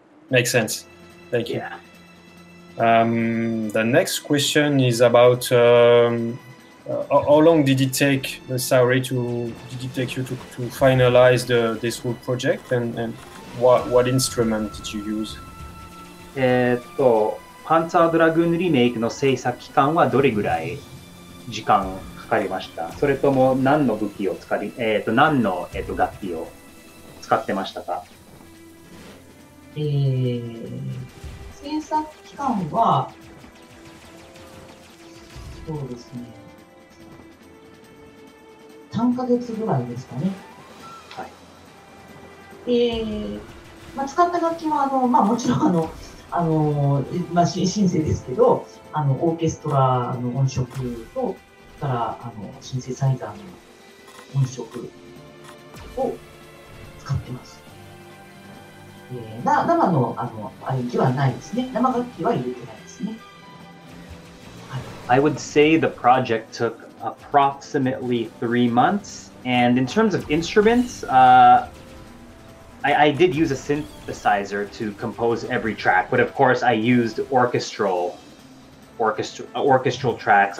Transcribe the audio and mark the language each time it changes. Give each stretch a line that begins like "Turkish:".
English: Makes sense. Thank you. Yeah. The next question is about how long did it take, did it take you to finalize this whole project, and what instrument did you use?
Japanese: パンツァードラグーンリメイクの制作期間はどれぐらい時間かかりました？それとも何の武器を使い、何の、楽器を使ってましたか？制作期間は、そうですね。 3ヶ月ぐらいですかね。はい。まあ、使った楽器はまあ、もちろんまあ、シンセですけど、オーケストラの音色と、からシンセサイザーの音色を使ってます。生の、アレンジはないですね。生楽器は入れてないですね。
English: I would say the project took approximately 3 months. And in terms of instruments, I did use a synthesizer to compose every track, but of course I used orchestral tracks.